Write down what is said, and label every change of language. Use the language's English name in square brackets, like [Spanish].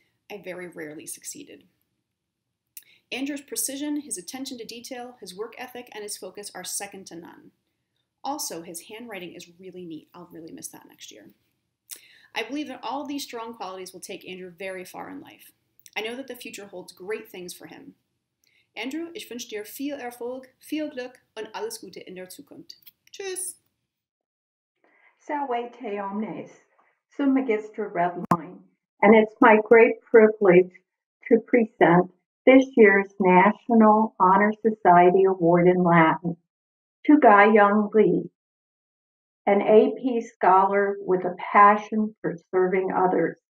[English] I very rarely succeeded. Andrew's precision, his attention to detail, his work ethic, and his focus are second to none. Also, his handwriting is really neat. I'll really miss that next year. I believe that all these strong qualities will take Andrew very far in life. I know that the future holds great things for him. [German] Andrew, ich wünsche dir viel Erfolg, viel Glück und alles Gute in der Zukunft. Tschüss! [Latin] Salvete omnes, sum magistra redline, [English] and it's my great privilege to present this year's National Honor Society Award in Latin to Guy Young Lee, an AP scholar with a passion for serving others.